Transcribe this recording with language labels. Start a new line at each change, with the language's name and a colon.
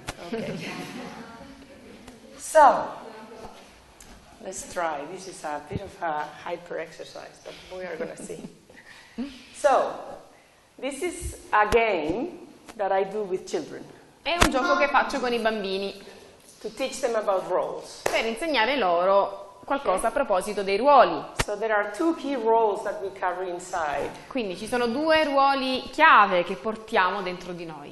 English: Okay. So, let's try. This is a bit of a hyper exercise, but we are going to see. So, this is a game that I do with children.
Italian: È un gioco che faccio con i bambini.
English: To teach them about roles.
Italian: Per insegnare loro qualcosa a proposito dei ruoli.
English: So there are two key roles that we carry inside.
Italian: Quindi ci sono due ruoli chiave che portiamo dentro di noi.